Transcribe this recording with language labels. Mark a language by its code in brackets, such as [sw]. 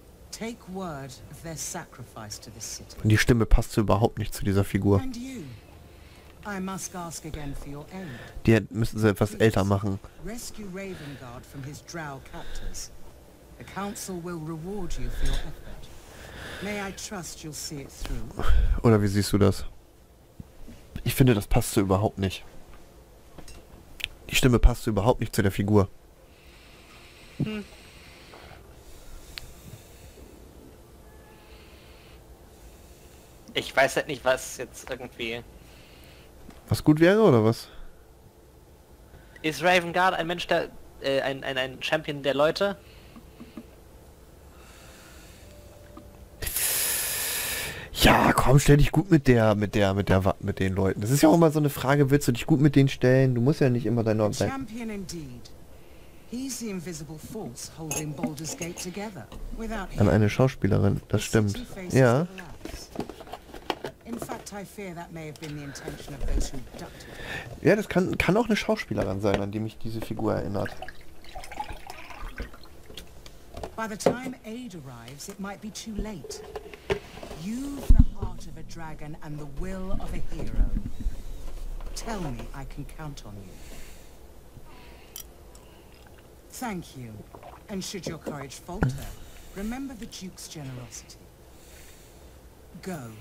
[en] Take word of their sacrifice to this city. [de] Und die Stimme passt so überhaupt nicht zu dieser Figur. [en] And you, I must ask again for your aid. [de] Die müssen sie etwas älter machen. [en] Rescue Ravenguard from his drow captors. The council will reward you for your effort. May I trust you'll see it through? [de] Oder wie siehst du das? Ich finde, das passt so überhaupt nicht. Die Stimme passt so überhaupt nicht zu der Figur. Hm. Ich weiß halt nicht, was jetzt irgendwie... Was gut wäre, oder was? Ist Ravenguard ein Mensch, der... ein Champion der Leute? Ja, komm, stell dich gut mit den Leuten. Das ist ja auch immer so eine Frage, willst du dich gut mit denen stellen? Du musst ja nicht immer deine Leute... [en] Champion indeed. He's the invisible force holding Baldur's Gate together. [de] An eine Schauspielerin, das stimmt. Ja. [en] In fact, I fear that may have been the intention of those who abducted. [de] Ja, das kann auch eine Schauspielerin sein, an die mich diese Figur erinnert. [en] By the time aid arrives, it might be too late. You've the heart of a dragon and the will of a hero. Tell me, I can count on you. Thank you. And should your courage falter, remember the Duke's generosity. Go.